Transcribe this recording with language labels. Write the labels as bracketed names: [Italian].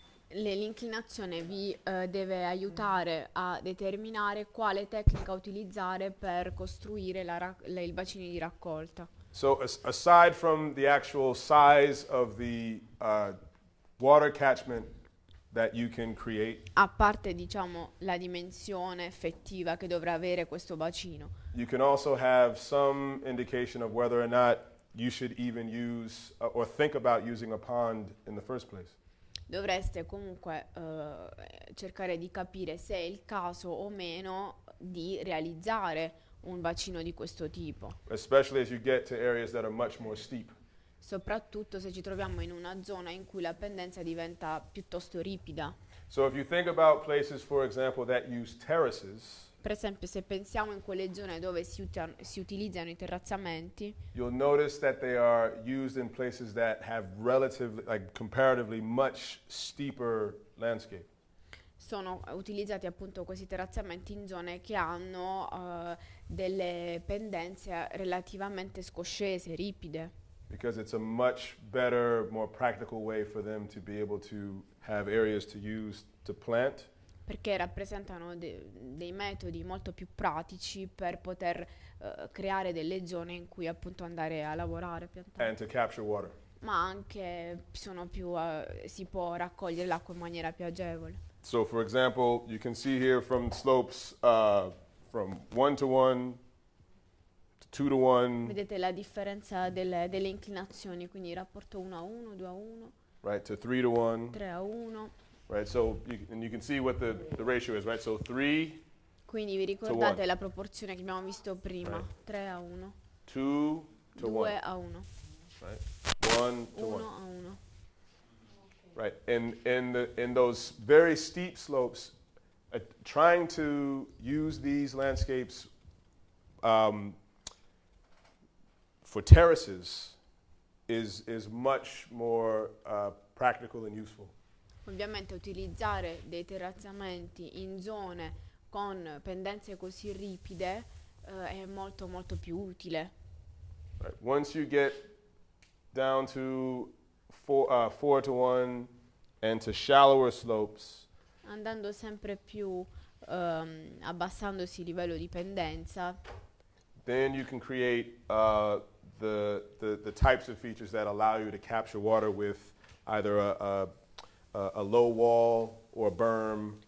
[Italian] L'inclinazione vi deve aiutare a determinare quale tecnica utilizzare per costruire il bacino di raccolta. [English] So aside from the actual size of the water catchment that you can create. [Italian] A parte, diciamo, la dimensione effettiva che dovrà avere questo bacino. [English] You can also have some indication of whether or not you should even use or think about using a pond in the first place. [Italian] Dovreste comunque cercare di capire se è il caso o meno di realizzare un bacino di questo tipo. [English] Especially as you get to areas that are much more steep. [Italian] Soprattutto se ci troviamo in una zona in cui la pendenza diventa piuttosto ripida. [English] So if you think about places, for example, that use terraces, [Italian] per esempio, se pensiamo in quelle zone dove si utilizzano i terrazzamenti, [English] you'll notice that they are used in places that have relatively, like comparatively, much steeper landscape. [Italian] Sono utilizzati appunto questi terrazzamenti in zone che hanno delle pendenze relativamente scoscese, ripide. [English] Because it's a much better, more practical way for them to be able to have areas to use to plant. [Italian] Perché rappresentano dei metodi molto più pratici per poter creare delle zone in cui appunto andare a lavorare, piantare. [English] And to capture water. [Italian] Ma anche sono più si può raccogliere l'acqua in maniera più agevole. [English] So for example, you can see here from slopes from 1:1. 2:1. [Italian] Vedete la differenza delle inclinazioni, quindi il rapporto 1:1, 2:1. [English] Right, to 3:1. 3:1. Right, so you can see what the ratio is, right? So 3. [Italian] Quindi vi ricordate la proporzione che abbiamo visto prima, 3:1. [English] 2:1. Right. 1:1. Right. And in those very steep slopes, trying to use these landscapes for terraces is much more practical and useful. [Italian] Ovviamente utilizzare dei terrazzamenti in zone con pendenze così ripide è molto molto più utile. [English] Right. Once you get down to 4:1 and to shallower slopes, [Italian] andando sempre più abbassandosi il livello di pendenza, [English] then you can create the types of features that allow you to capture water with either a low wall or a berm,